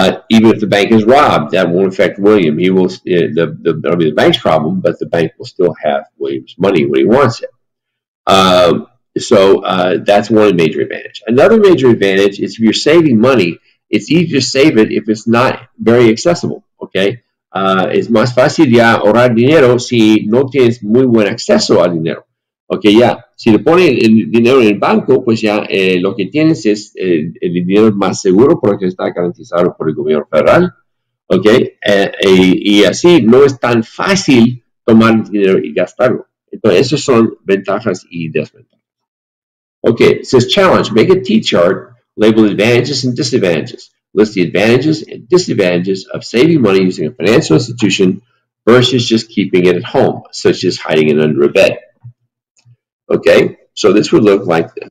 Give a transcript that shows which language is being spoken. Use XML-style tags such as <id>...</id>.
<en>Even if the bank is robbed, that won't affect William. He will, that'll be the bank's problem, but the bank will still have William's money when he wants it. So that's one major advantage. Another major advantage is if you're saving money, it's easy to save it if it's not very accessible.</en> <es>Okay, es más fácil ya ahorrar dinero si no tienes muy buen acceso al dinero. Okay, ya, si le pones el dinero en el banco, pues ya lo que tienes es el dinero más seguro porque está garantizado por el gobierno federal. Okay, y así no es tan fácil tomar el dinero y gastarlo. Entonces, esas son ventajas y desventajas. Okay,</es> <en>it says challenge. Make a T-chart labeled advantages and disadvantages. List the advantages and disadvantages of saving money using a financial institution versus just keeping it at home, such as hiding it under a bed. Okay, so this would look like this.</en>